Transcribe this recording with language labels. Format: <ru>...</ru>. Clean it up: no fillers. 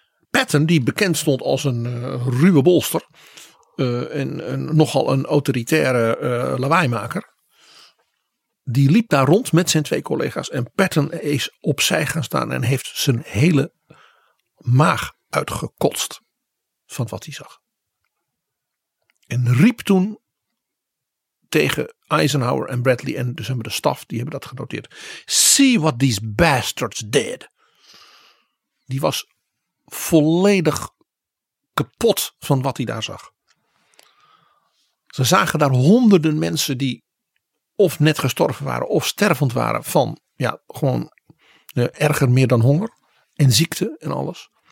<nl>Patton, die bekend stond als een ruwe bolster en nogal een autoritaire lawaaimaker, die liep daar rond met zijn twee collega's en Patton is opzij gaan staan en heeft zijn hele maag uitgekotst van wat hij zag. En riep toen tegen Eisenhower en Bradley en dus hebben de staf, die hebben dat genoteerd.</nl> <en>See what these bastards did.</en> <nl>Die was volledig kapot van wat hij daar zag. Ze zagen daar honderden mensen die of net gestorven waren of stervend waren van ja, gewoon erger meer dan honger en ziekte en alles.</nl>